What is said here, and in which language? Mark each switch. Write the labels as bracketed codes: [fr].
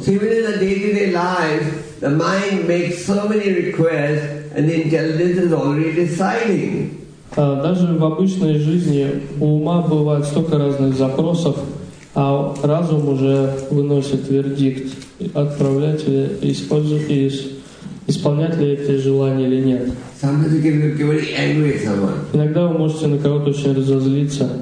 [en] See, in a day-to-day life, the mind makes so many requests, and the intelligence is already deciding. [ru] Даже в обычной жизни у ума бывает столько разных запросов, а разум уже выносит вердикт, отправлять ли, исполнять ли эти желания или нет. [en] Sometimes you can get very angry at someone. [ru] Иногда вы можете на кого-то очень разозлиться.